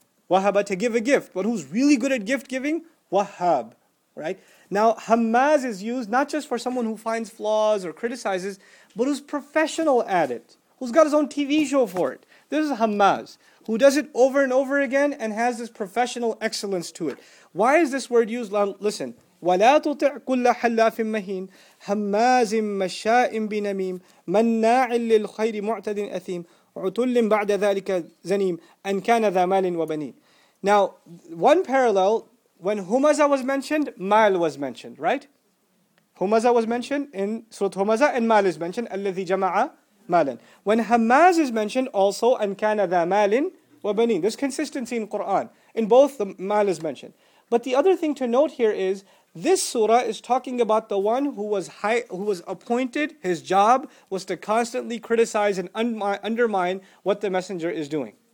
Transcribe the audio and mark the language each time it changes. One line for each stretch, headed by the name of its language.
English: Wahhaba, to give a gift. But who's really good at gift giving? Wahhab, right? Now, hammaz is used not just for someone who finds flaws or criticizes, but who's professional at it, who's got his own TV show for it. This is hammaz, who does it over and over again and has this professional excellence to it. Why is this word used? Listen,
Arabic: ولا تطع كل حلاف مهين هماز مشاء بنميم مناع للخير معتد أثيم عتل بعد ذلك زنيم أن كان ذا مال وبنين.
English: Now, one parallel, when Humazah was mentioned, Mal was mentioned, right? Humazah was mentioned in Surah Humazah, and Mal is mentioned,
Arabic: الَّذِي جَمَعَ مَالًا.
English: When Hamaz is mentioned, also,
Arabic: أَنْ كَانَ ذَا مَالٍ وَبَنِينَ.
English: There's consistency in Qur'an. In both, the Mal is mentioned. But the other thing to note here is, this surah is talking about the one who was high, who was appointed, his job was to constantly criticize and undermine what the messenger is doing.